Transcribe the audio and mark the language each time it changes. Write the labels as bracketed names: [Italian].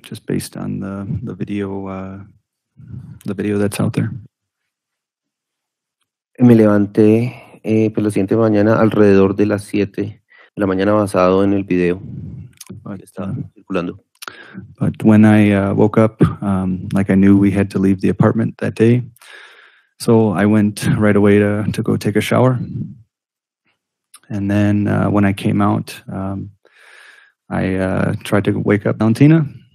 [English] just based on the video that's out there. [Spanish] Me levanté por la siguiente mañana alrededor de las 7 de la mañana basado en el video que estaba circulando. [English] But when I woke up, like I knew we had to leave the apartment that day. So I went right away to go take a shower. And then when I came out, I tried to wake up Valentina.